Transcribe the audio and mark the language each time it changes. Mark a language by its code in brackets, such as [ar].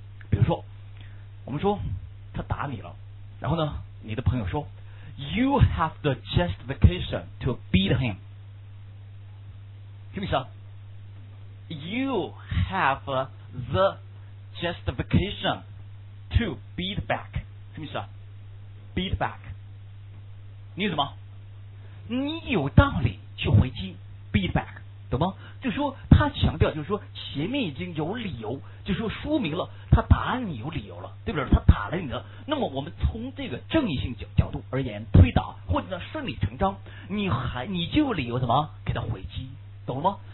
[zh] 比如说，我们说他打你了，然后呢，你的朋友说 ， [en] You have the justification to beat him， [zh] 什么意思啊 ？You have the justification。 [en] To beat back， [zh] 什么意思啊 [en] ？Beat back， [zh] 你有什么？你有道理去回击 ，beat back， 懂吗？就说他强调，就是说前面已经有理由，就说说明了他打你有理由了，对不对？他打了你了，那么我们从这个正义性角度而言推导，或者呢顺理成章，你就有理由什么给他回击，懂了吗？